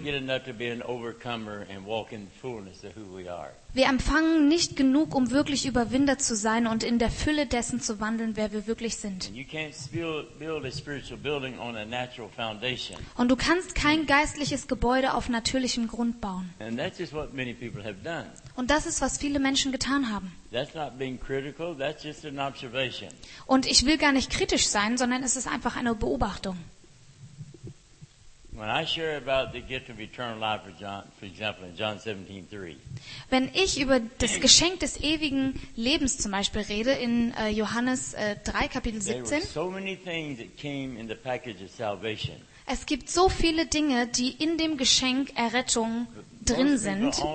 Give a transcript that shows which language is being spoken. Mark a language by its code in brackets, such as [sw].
[de] Wir empfangen nicht genug, um wirklich Überwinder zu sein und in der Fülle dessen zu wandeln, wer wir wirklich sind. Und du kannst kein geistliches Gebäude auf natürlichem Grund bauen. Und das ist, was viele Menschen haben getan. Und das ist, was viele Menschen getan haben. [en] That's not being critical, that's just an observation. [de] Und ich will gar nicht kritisch sein, sondern es ist einfach eine Beobachtung. Wenn ich über das Geschenk des ewigen Lebens zum Beispiel rede, in Johannes 3, Kapitel 17, [en] there were so many things that came in the package of salvation. [de] Es gibt so viele Dinge, die in dem Geschenk Errettung drin sind.